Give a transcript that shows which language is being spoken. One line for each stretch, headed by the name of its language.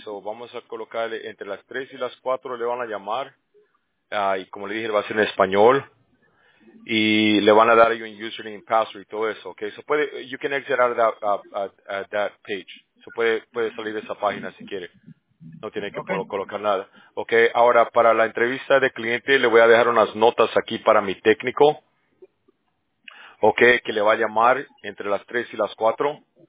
Spanish: So vamos a colocarle entre las 3 y las 4 le van a llamar. Y como le dije, va a ser en español. Y le van a dar un username, password y todo eso, okay?
English: So
Spanish: puede,
English: you can exit out of that that page.
Spanish: So puede salir de esa página si quiere. No tiene que colocar nada. Okay, ahora para la entrevista de cliente le voy a dejar unas notas aquí para mi técnico. Okay, que le va a llamar entre las 3 y las 4.